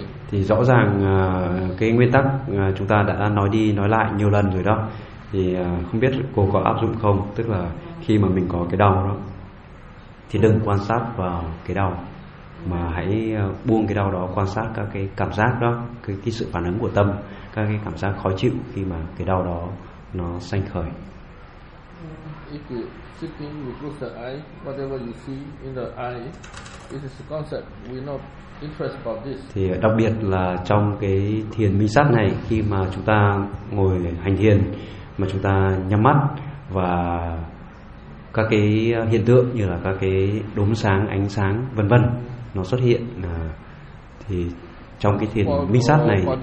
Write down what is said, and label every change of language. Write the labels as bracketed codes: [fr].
[vi] Thì rõ ràng cái nguyên tắc chúng ta đã nói đi nói lại nhiều lần rồi đó, thì không biết cô có áp dụng không, tức là khi mà mình có cái đau đó thì đừng quan sát vào cái đau mà hãy buông cái đau đó, quan sát các cái cảm giác đó, cái sự phản ứng của tâm, các cái cảm giác khó chịu khi mà cái đau đó nó sanh khởi. [en] If you sitting, you close the eye, whatever you see in the eye, this is the concept we not interest about this. [vi] Thì đặc biệt là trong cái thiền minh sát này, khi mà chúng ta ngồi hành thiền mà chúng ta nhắm mắt và các cái hiện tượng như là các cái đốm sáng, ánh sáng vân vân nó xuất hiện, thì trong cái thiền minh sát này